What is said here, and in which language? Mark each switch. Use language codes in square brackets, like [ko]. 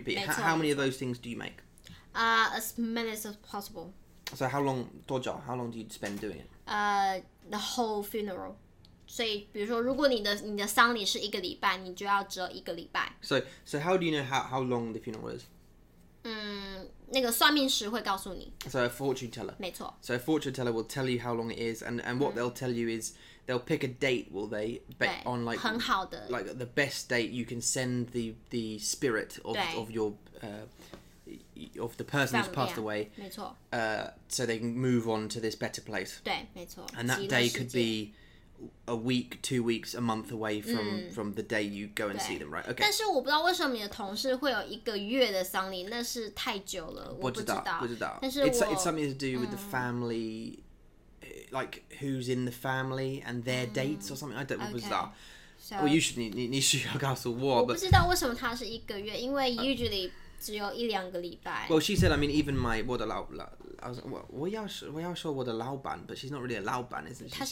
[en] How many of those things do you make? As many as possible. So how long? 多久 How long do you spend doing it? The whole funeral. [zh] 所以，比如说，如果你的丧礼是一个礼拜，你就要折一个礼拜。 [en] So how do you know how long the funeral is? [zh] 那个算命师会告诉你。 [en] So a fortune teller. [zh] 没错。 [en] So a fortune teller will tell you how long it is, and what they'll tell you is they'll pick a date, will they? Bet on like [zh] 很好的 [en] like the best date you can send the spirit of your of the person who's passed away. [zh] 没错。 [en] So they can move on to this better place. [zh] 对，没错。 [en] And that day could be a week, 2 weeks, a month away from,、嗯、from the day you go and see them, right? Okay. [zh] 但是我不知道为什么你的同事会有一个月的丧礼，那是太久了，我不知道。不知道。但是我 [en] it's something to do with、嗯、the family, like who's in the family and their、嗯、dates or something. I don't know. [zh] 不知道。 [en] So, well, you should, [zh] 你需要告诉我。我不知道为什么它是一个月，因为 usually 只有一两个礼拜。 [en] Well, she said, I mean, even my [zh] 我的老板，我要说我的老板 [en] ，but she's not really a 老板，is she?